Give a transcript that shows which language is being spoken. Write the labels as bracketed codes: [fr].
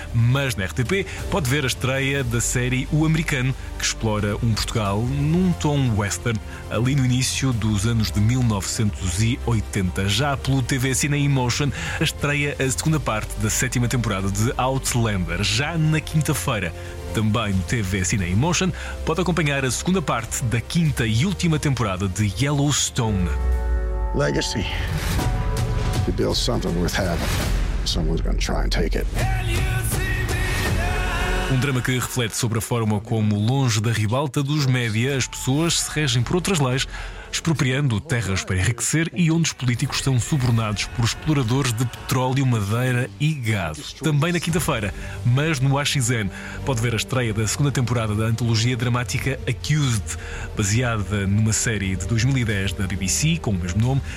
[pt] Mas na RTP pode ver a estreia da série O Americano, que explora um Portugal num tom western, ali no início dos anos de 1980. Já pelo TV Cineemotion, a estreia a segunda parte da sétima temporada de Outlander, já na quinta-feira. Também no TV Cineemotion pode acompanhar a segunda parte da quinta e última temporada de Yellowstone. [en] Legacy. You build something worth having, someone's gonna try and take it. [pt] Um drama que reflete sobre a forma como, longe da ribalta dos média, as pessoas se regem por outras leis, expropriando terras para enriquecer e onde os políticos são subornados por exploradores de petróleo, madeira e gás. Também na quinta-feira, mas no AXN, pode ver a estreia da segunda temporada da antologia dramática Accused, baseada numa série de 2010 da BBC, com o mesmo nome.